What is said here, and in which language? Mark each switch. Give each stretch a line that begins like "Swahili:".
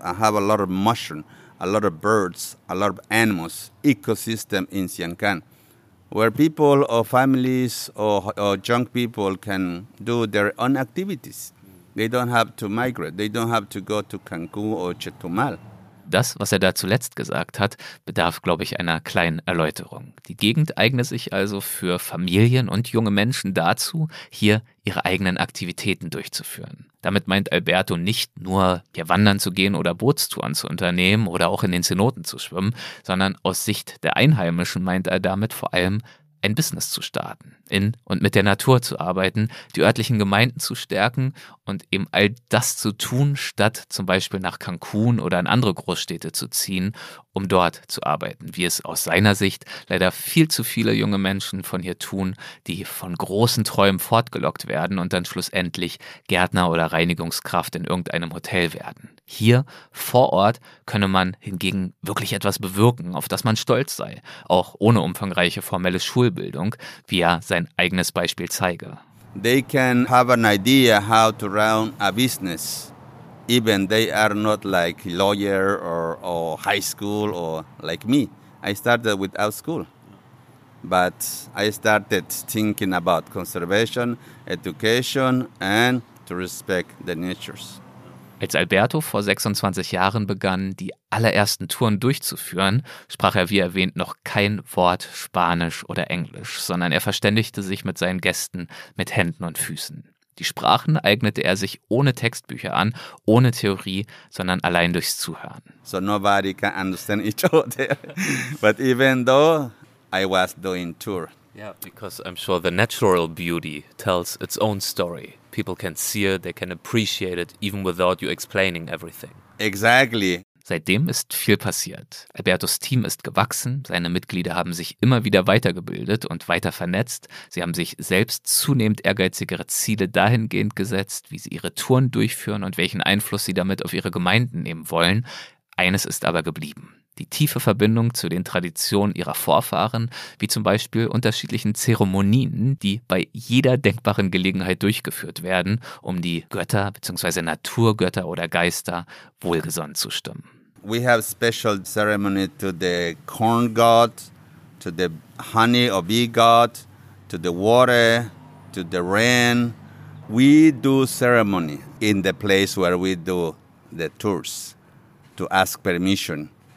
English: I have a lot of mushroom, a lot of birds, a lot of animals, ecosystem in Siankan, where people or families or young people can do their own activities. They don't have to migrate. They don't have to go to Cancun or Chetumal.
German: Das, was er da zuletzt gesagt hat, bedarf, glaube ich, einer kleinen Erläuterung. Die Gegend eigne sich also für Familien und junge Menschen dazu, hier ihre eigenen Aktivitäten durchzuführen. Damit meint Alberto nicht nur, hier wandern zu gehen oder Bootstouren zu unternehmen oder auch in den Zenoten zu schwimmen, sondern aus Sicht der Einheimischen meint er damit vor allem, ein Business zu starten, in und mit der Natur zu arbeiten, die örtlichen Gemeinden zu stärken und eben all das zu tun, statt zum Beispiel nach Cancun oder in andere Großstädte zu ziehen, um dort zu arbeiten, wie es aus seiner Sicht leider viel zu viele junge Menschen von hier tun, die von großen Träumen fortgelockt werden und dann schlussendlich Gärtner oder Reinigungskraft in irgendeinem Hotel werden. Hier vor Ort könne man hingegen wirklich etwas bewirken, auf das man stolz sei, auch ohne umfangreiche formelle Schulbildung, wie er sein eigenes Beispiel zeige.
English: They can have an idea how to run a business, even they are not like lawyer or high school or like me. I started without school, but I started thinking about conservation, education and to respect the natures.
German: Als Alberto vor 26 Jahren begann, die allerersten Touren durchzuführen, sprach er, wie erwähnt, noch kein Wort Spanisch oder Englisch, sondern er verständigte sich mit seinen Gästen mit Händen und Füßen. Die Sprachen eignete er sich ohne Textbücher an, ohne Theorie, sondern allein durchs Zuhören.
English: So nobody can understand each other. But even though I was doing tour. Yeah, because I'm sure the natural beauty tells its own story. People can see it, they can appreciate it, even without you explaining everything. Exactly.
German: Seitdem ist viel passiert. Albertos Team ist gewachsen, seine Mitglieder haben sich immer wieder weitergebildet und weiter vernetzt. Sie haben sich selbst zunehmend ehrgeizigere Ziele dahingehend gesetzt, wie sie ihre Touren durchführen und welchen Einfluss sie damit auf ihre Gemeinden nehmen wollen. Eines ist aber geblieben. Die tiefe Verbindung zu den Traditionen ihrer Vorfahren, wie zum Beispiel unterschiedlichen Zeremonien, die bei jeder denkbaren Gelegenheit durchgeführt werden, um die Götter bzw. Naturgötter oder Geister wohlgesonnen zu stimmen.
English: We have special ceremony to the corn god, to the honey or bee god, to the water, to the rain. We do ceremony in the place where we do the tours to ask permission.